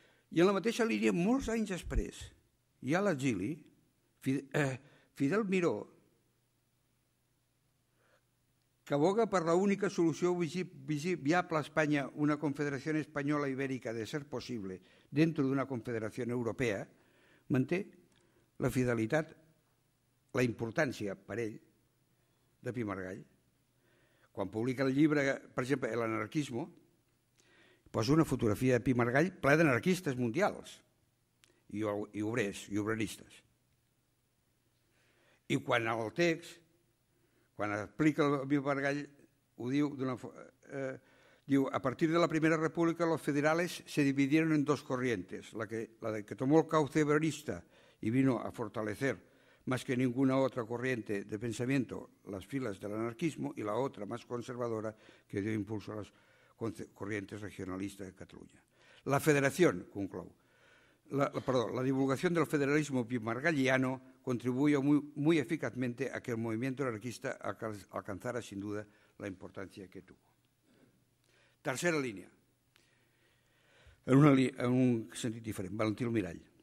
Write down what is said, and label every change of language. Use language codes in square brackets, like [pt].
[ca] I en la mateixa línia, molts anys després, hi ha l'exili, Fidel Miró, que aboga per l'única solució viable a Espanya, una confederació espanyola ibèrica de ser possible dintre d'una confederació europea, manté la fidelitat, la importància per ell, de Pi i Margall. Quan publica el llibre, per exemple, L'anarquismo, posa una fotografia de Pi i Margall ple d'anarquistes mundials i obrers i obreristes. I quan el text, quan explica el Pi i Margall, ho diu d'una diu: [es] «A partir de la Primera República, los federales se dividieron en dos corrientes, la que tomó el cauce obrerista y vino a fortalecer más que ninguna otra corriente de pensamiento las filas del anarquismo, y la otra más conservadora que dio impulso a las corrientes regionalistas de Cataluña». La federación, [ca] conclou, [es] la divulgación del federalismo pimargalliano contribuyó muy, muy eficazmente a que el movimiento anarquista alcanzara sin duda la importancia que tuvo. [ca] Tercera línia, en un sentit diferent, Valentí el Mirall.